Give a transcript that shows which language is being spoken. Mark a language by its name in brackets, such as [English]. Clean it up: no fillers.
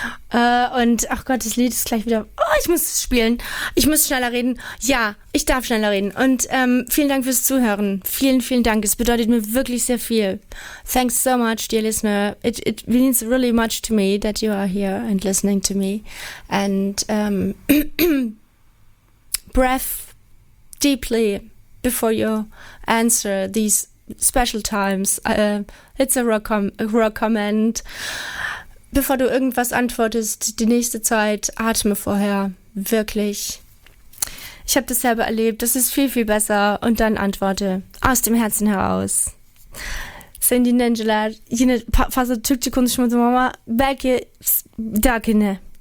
[German] das Lied ist gleich wieder. Oh, ich muss spielen. Ich muss schneller reden. Ja, ich darf schneller reden. Und vielen Dank fürs Zuhören. Vielen, vielen Dank. Es bedeutet mir wirklich sehr viel. [English] Thanks so much, dear listener. It means really much to me that you are here and listening to me. And breath deeply before you answer these special times. It's a recommend. [German] Bevor du irgendwas antwortest, die nächste Zeit, atme vorher. Wirklich. Ich habe das selber erlebt. Das ist viel, viel besser. Und dann antworte. Aus dem Herzen heraus. Sandy Nangela, jene Fasse Tückte Kunst mit Mama, Becky Dagene.